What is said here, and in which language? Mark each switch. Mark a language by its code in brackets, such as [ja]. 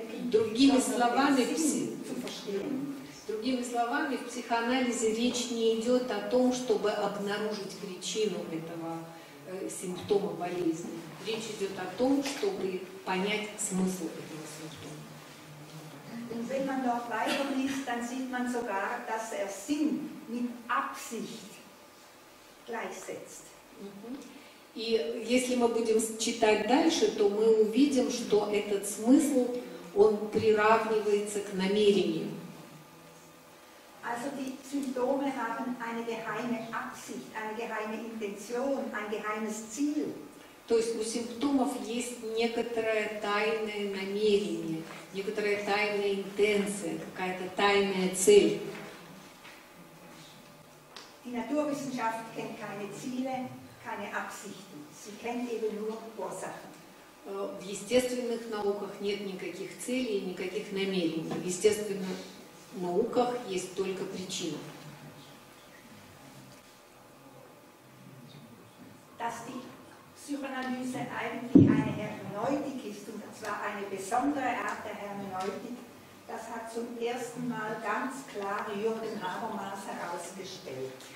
[ru] Другими словами, в психоанализе речь не идет о том, чтобы обнаружить причину этого симптома болезни. Речь идет о том, чтобы понять смысл этого симптома. [de] Und wenn man dort weiterliest, dann sieht man sogar, dass er Sinn mit Absicht gleichsetzt. [ru] И если мы будем читать дальше, то мы увидим, что этот смысл, он приравнивается к намерению. [de] Also die Symptome haben eine geheime Absicht, eine geheime Intention, ein geheimes Ziel. [ru] То есть у симптомов есть некоторое тайное намерение, некоторая тайная интенция, какая-то тайная цель. [de] Die Naturwissenschaft kennt keine Ziele, keine Absichten. Sie kennt eben nur Ursachen. [ru] В естественных науках нет никаких целей, никаких намерений. В естественных науках есть только причина. [de] Dass die Psychoanalyse eigentlich eine Hermeneutik ist, und zwar eine besondere Art der Hermeneutik, das hat zum ersten Mal ganz klar Jürgen Habermas herausgestellt.